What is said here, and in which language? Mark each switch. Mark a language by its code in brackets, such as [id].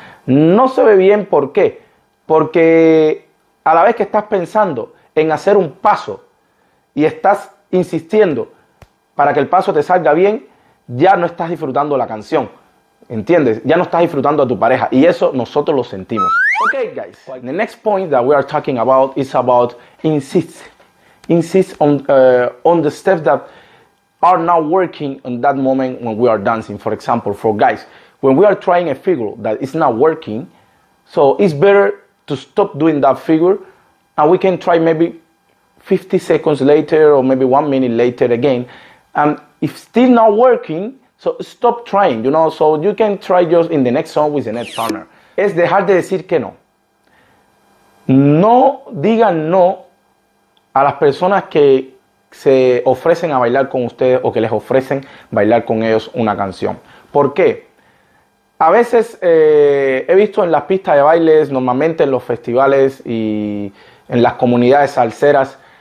[es] No se ve bien, ¿por qué? Porque a la vez que estás pensando en hacer un paso y estás insistiendo para que el paso te salga bien, ya no estás disfrutando la canción. ¿Entiendes? Ya no estás disfrutando a tu pareja. Y eso nosotros lo sentimos. [en] Ok, guys. The next point that we are talking about is about insist. Insist on the steps that are not working in that moment when we are dancing. For example, for guys, when we are trying a figure that is not working, so it's better to stop doing that figure and we can try maybe 50 seconds later or maybe 1 minute later again. And if still not working, so stop trying, you know, so you can try just in the next song with the next partner. [es] Es dejar de decir que no. No digan no a las personas que se ofrecen a bailar con ustedes o que les ofrecen bailar con ellos una canción. ¿Por qué? A veces he visto en las pistas de bailes, normalmente en los festivales y en las comunidades salseras,